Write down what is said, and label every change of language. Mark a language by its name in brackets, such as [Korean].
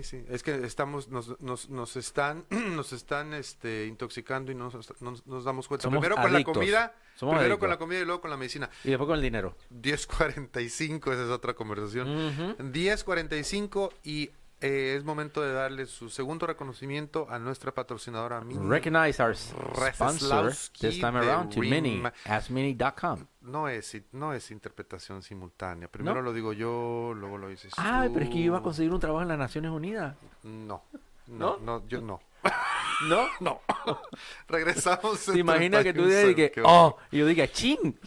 [Spanish] Es que estamos, nos están intoxicando y no nos damos cuenta. Somos primero adictos. Con la comida. Somos primero adictos. Con la comida y luego con la medicina. Y después con el dinero. 10:45, esa es otra conversación. Uh-huh. 10:45 y es momento de darle su segundo reconocimiento a nuestra patrocinadora Mini. [English] Recognize our sponsor this time around to Mini. AskMini.com. [Spanish] No es interpretación simultánea. Primero lo digo yo, luego lo dices tú. Ay, pero es que yo iba a conseguir un trabajo en las Naciones Unidas. No. No, no, no, yo no. ¿No? No. Regresamos. ¿Te imaginas que tú digas y que, oh, y yo diga, ching?